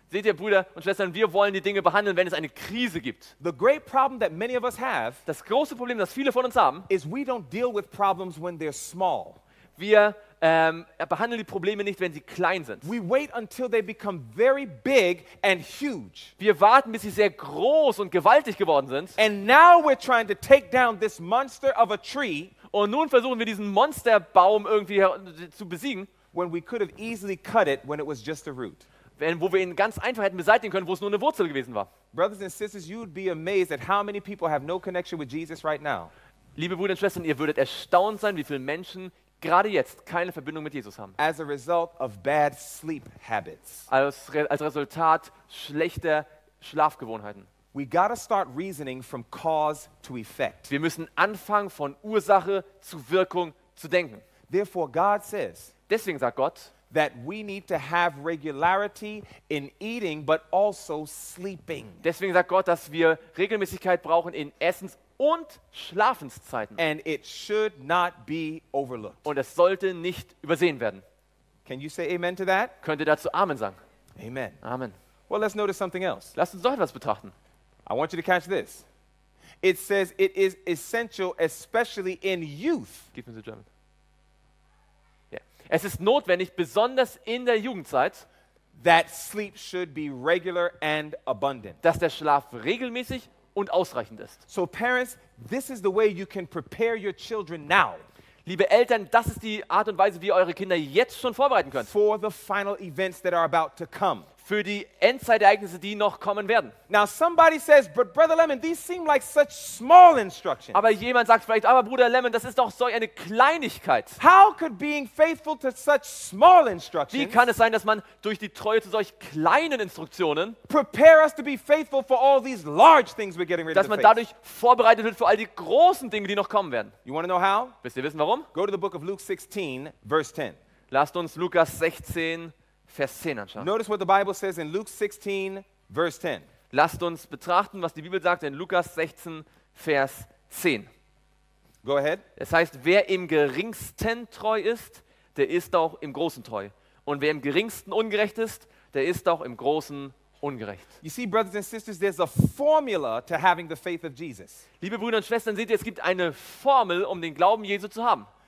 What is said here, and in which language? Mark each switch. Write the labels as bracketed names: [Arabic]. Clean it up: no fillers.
[German] Seht ihr, Brüder und Schwestern, wir wollen die Dinge behandeln, wenn es eine Krise gibt. [English] The great problem that many of us have, [German] das große Problem, das viele von uns haben, [English] is we don't deal with problems when they're small. [German] Wir behandeln die Probleme nicht, wenn sie klein sind. [English] We wait until they become very big and huge. [German] Wir warten, bis sie sehr groß und gewaltig geworden sind. [English] And now we're trying to take down this monster of a tree. [German] Und nun versuchen wir, diesen Monsterbaum irgendwie zu besiegen, [English] when we could have easily cut it when it was just a root. [German] Wo wir ihn ganz einfach hätten beseitigen können, wo es nur eine Wurzel gewesen war. [English] Brothers and sisters, you'd be amazed at how many people have no connection with Jesus right now. [German] Liebe Brüder und Schwestern, ihr würdet erstaunt sein, wie viele Menschen gerade jetzt keine Verbindung mit Jesus haben. [English] As a result of bad sleep habits. [German] Als Resultat schlechter Schlafgewohnheiten. [English] We gotta start reasoning from cause to effect. [German] Wir müssen anfangen, von Ursache zu Wirkung zu denken. [English] Therefore God says, [German] deswegen sagt Gott, [English] that we need to have regularity in eating, but also sleeping. [German] Deswegen sagt Gott, dass wir Regelmäßigkeit brauchen in Essens- und Schlafenszeiten. [English] And it should not be overlooked. [German] Und es sollte nicht übersehen werden. [English] Can you say amen to that? [German] Könnt ihr dazu Amen sagen? Amen. Amen. [English] Well, let's notice something else. [German] Lasst uns doch etwas betrachten. [English] I want you to catch this. It says it is essential, especially in youth. [German] Gib mir so German. Es ist notwendig, besonders in der Jugendzeit, [English] that sleep should be regular and abundant. [German] Dass der Schlaf regelmäßig und ausreichend ist. [English] So parents, this is the way you can prepare your children now. [German] Liebe Eltern, das ist die Art und Weise, wie ihr eure Kinder jetzt schon vorbereiten könnt. [English] For the final events that are about to come. [German] Für die Endzeitereignisse, die noch kommen werden. [English] Now somebody says, but Brother Lemon, these seem like such small instructions. [German] Aber jemand sagt vielleicht, aber Bruder Lemon, das ist doch so eine Kleinigkeit. [English] How could being faithful to such small instructions? [German] Wie kann es sein, dass man durch die Treue zu solch kleinen Instruktionen [English] prepare us to be faithful for all these large things we're getting ready to face? [German] Dass man dadurch vorbereitet wird für all die großen Dinge, die noch kommen werden. [English] You want to know how? [German] Wisst ihr wissen warum? [English] Go to the book of Luke 16, verse 10. [German] Lasst uns Lukas 16 Vers 10 anschauen. [English] Notice what the Bible says in Luke 16, verse 10. [German] Lasst uns betrachten, was die Bibel sagt in Lukas 16, Vers 10. [English] Go ahead. [German] Es heißt, wer im Geringsten treu ist, der ist auch im Großen treu. Und wer im Geringsten ungerecht ist, der ist auch im Großen ungerecht. [English] You see, brothers and sisters, there's a formula to having the faith of Jesus. [German] Liebe Brüder und Schwestern, seht ihr, es gibt eine Formel, um den Glauben Jesu zu haben.